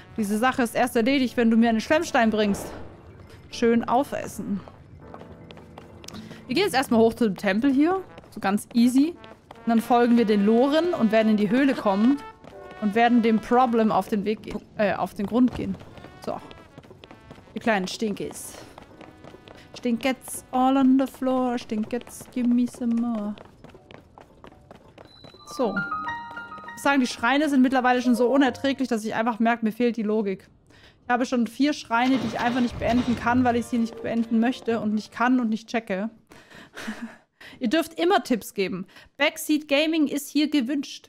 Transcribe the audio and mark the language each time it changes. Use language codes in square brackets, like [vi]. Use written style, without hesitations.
[de] Diese Sache ist erst erledigt, wenn du mir einen Schlemmstein bringst. Schön aufessen. Wir gehen jetzt erstmal hoch zu dem Tempel hier. So ganz easy. Und dann folgen wir den Loren und werden in die Höhle kommen und werden dem Problem auf den Weg auf den Grund gehen. So. Die kleinen Stinkies. [en] Stinkets all on the floor. Stinkets, give me some more. So. [de] Ich sagen, die Schreine sind mittlerweile schon so unerträglich, dass ich einfach merke, mir fehlt die Logik. Ich habe schon 4 Schreine, die ich einfach nicht beenden kann, weil ich sie nicht beenden möchte und nicht kann und nicht checke. Ihr dürft immer Tipps geben. Backseat Gaming ist hier gewünscht.